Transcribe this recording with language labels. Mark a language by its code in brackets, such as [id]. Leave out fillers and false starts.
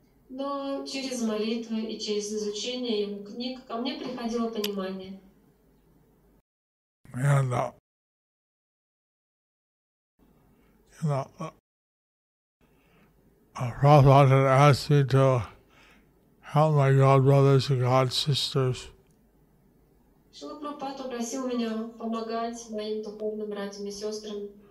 [ru] Но через молитвы и через изучение его книг ко мне приходило понимание. [en] And, Prabhupada had asked me to help my god brothers and god sisters. [ru] Шрила Прабхупада попросил меня помогать моим духовным братьям и сестрам.